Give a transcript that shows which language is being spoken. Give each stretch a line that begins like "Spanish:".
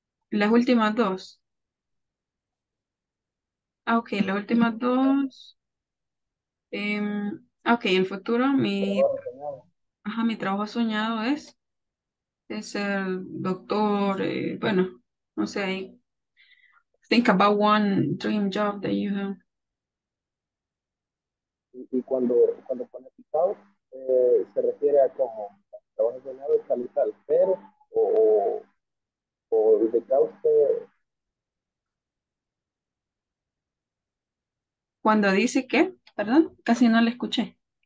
Spanish: Las últimas dos. Ah, ok, las últimas dos. Ok, en el futuro mi trabajo soñado es... Es el doctor, bueno, no sé.
English: Think about one dream job that you have.
Spanish: Y cuando pone citado, se refiere a como trabajo soñado tal y tal, pero o de que usted. Cuando dice qué, perdón, casi no le escuché.